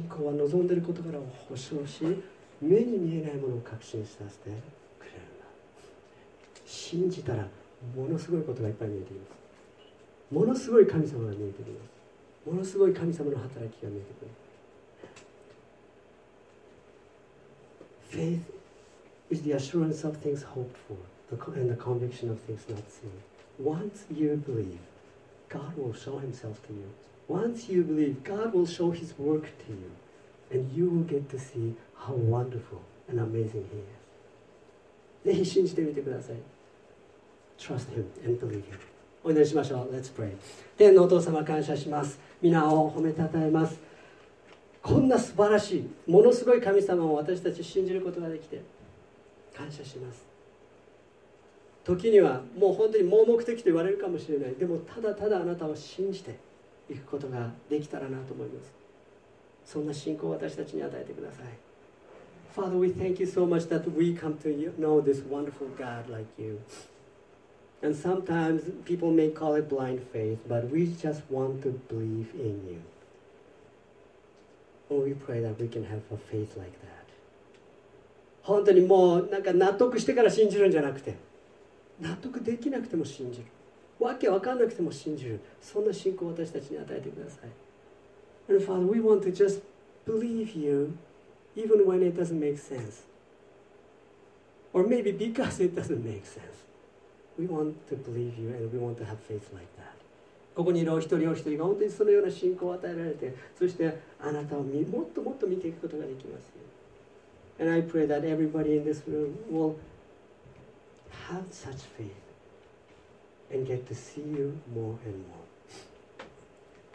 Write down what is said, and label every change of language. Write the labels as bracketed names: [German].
[Japanese] 信仰は望んでいることから保証し、目に見えないものを確信させてくれるんだ。信じたらものすごいことがいっぱい見えてきます。ものすごい神様が見えてくる。ものすごい神様の働きが見えてくる。 [English] Faith is the assurance of things hoped for and the conviction of things not seen. Once you believe, God will show himself to you. Once you believe, God will show his work to you. And you will get to see how wonderful and amazing he is. [Japanese] ぜひ信じてみてください。 [English] Trust him and believe him. [Japanese] お祈りしましょう。 [English] Let's pray. [Japanese] 天のお父様、感謝します。皆を褒めたたえます。こんな素晴らしい、ものすごい神様を私たち信じることができて、感謝します。時にはもう本当に盲目的と言われるかもしれない。でもただただあなたを信じていくことができたらなと思います。そんな信仰を私たちに与えてください。 [English] Father, we thank you so much that we come to know this wonderful God like you. And sometimes people may call it blind faith, but we just want to believe in you. Oh, we pray that we can have a faith like that. [Japanese] 本当にもうなんか納得してから信じるんじゃなくて、納得できなくても信じる、わけわかんなくても信じる、そんな信仰を私たちに与えてください。 [English] And Father, we want to just believe you, even when it doesn't make sense. Or maybe because it doesn't make sense. We want to believe you and we want to have faith like that. [Japanese] ここにいるお一人お一人が本当にそのような信仰を与えられて、そしてあなたをもっともっと見ていくことができますよ。 [English] And I pray that everybody in this room will have such faith and get to see you more and more.